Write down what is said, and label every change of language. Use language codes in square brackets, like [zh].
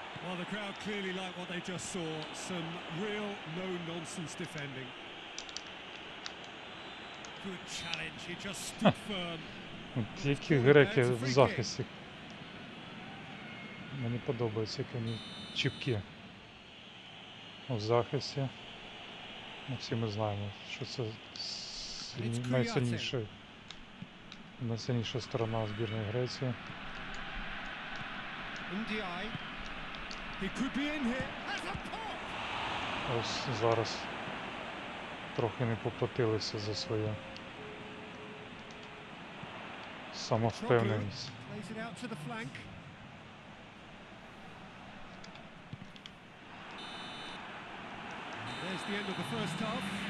[en] Well, the crowd clearly liked what they just saw. Some real no-nonsense defending. Good challenge, he just stood firm. [uk] Які греки в захисті. Мені подобається, як вони чіпкі. В захисті. Ми всі ми знаємо, що це найсильніше. Найсильніша сторона збірної Греції. [en] Ndiaye. He could be in here. Has a pop. [uk] Ось зараз трохи не поплатилися за своє самовпевненість. [en] There's the end of the first half.